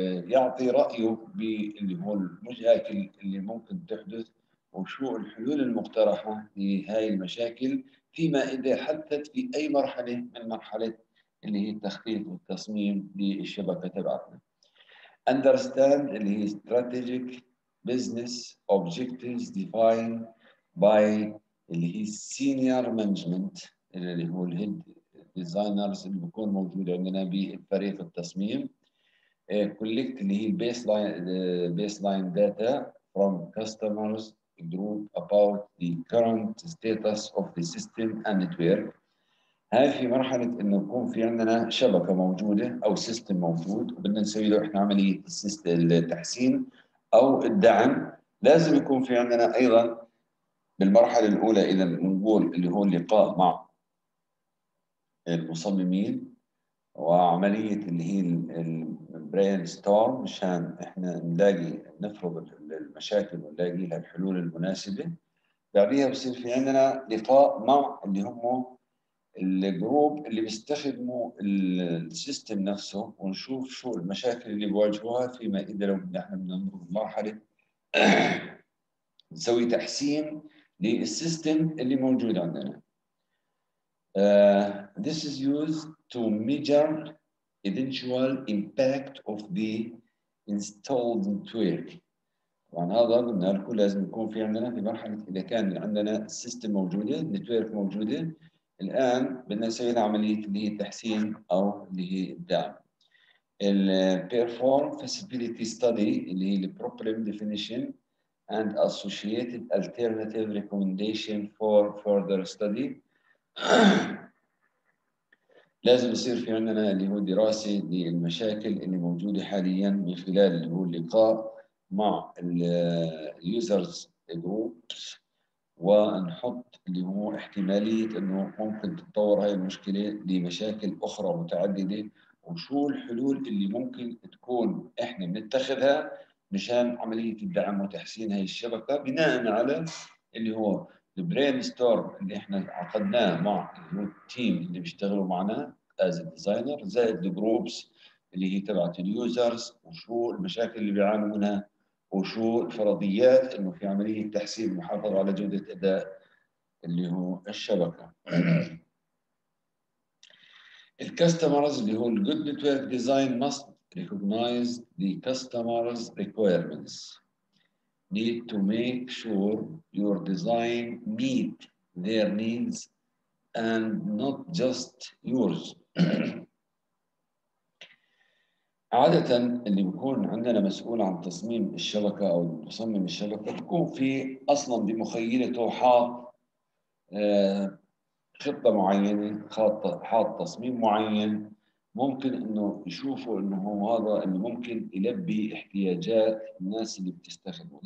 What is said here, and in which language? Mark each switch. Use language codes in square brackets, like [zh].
[ar] يعطي رأيه باللي هو المشاكل اللي ممكن تحدث وشو الحلول المقترحة لهاي المشاكل فيما إذا حدثت في أي مرحلة من مرحلة اللي هي التخطيط والتصميم للشبكة تبعتنا. Understand اللي هي [en] strategic business objectives defined by [ar] اللي هي [en] senior management [ar] اللي هو الهيد ديزاينرز اللي بيكون موجود عندنا بفريق التصميم. [en] collect [ar] اللي هي [en] baseline data from customers group about the current status of the system and network. [ar] هاي في مرحلة انه يكون في عندنا شبكة موجودة او system موجود وبدنا نسوي له احنا عملية التحسين أو الدعم، لازم يكون في عندنا أيضا بالمرحلة الأولى إذا نقول اللي هو اللقاء مع المصممين، وعملية اللي هي البرين ستورم مشان إحنا نلاقي نفرض المشاكل ونلاقي لها الحلول المناسبة. بعديها بصير في عندنا لقاء مع اللي هم الجروب اللي بيستخدموا السيستم نفسه، ونشوف شو المشاكل اللي بيواجهوها، فيما إذا لو نحن بننظر لمرحلة نسوي تحسين للسيستم اللي موجود عندنا. [en] This is used to measure eventual impact of the installed network. [ar] طبعا هذا قلنا لكم لازم يكون في عندنا في مرحلة إذا كان عندنا السيستم موجودة، النتورك موجودة، الآن بدنا نسوي عملية اللي هي التحسين أو اللي هي الدعم. [en] الـ perform feasibility study [ar] اللي هي [en] الـ problem definition and associated alternative recommendation for further study. [ar] لازم يصير في عندنا اللي هو دراسة للمشاكل اللي موجودة حاليا من خلال اللي هو اللقاء مع الـ users groups، ونحط اللي هو احتمالية انه ممكن تتطور هاي المشكلة لمشاكل اخرى متعددة، وشو الحلول اللي ممكن تكون احنا بنتخذها مشان عملية الدعم وتحسين هاي الشبكة بناء على اللي هو البرين ستورم اللي احنا عقدناه مع اللي هو التيم اللي بيشتغلوا معنا از ديزاينر، زائد الجروبس اللي هي تبعت اليوزرز، وشو المشاكل اللي بيعانوا منها، وشو الفرضيات انه في عملية تحسين محافظة على جودة اداء اللي هو الشبكة. [en] الكاستمرز [ar] اللي هو [en] الجود network design must recognise the customers requirements, need to make sure your design meet their needs and not just yours. [ar] عادة اللي بيكون عندنا مسؤول عن تصميم الشبكة أو مصمم الشبكة بيكون في أصلا بمخيلته حاط خطة معينة، حاط تصميم معين ممكن إنه يشوفوا إنه هو هذا اللي ممكن يلبي احتياجات الناس اللي بتستخدمه.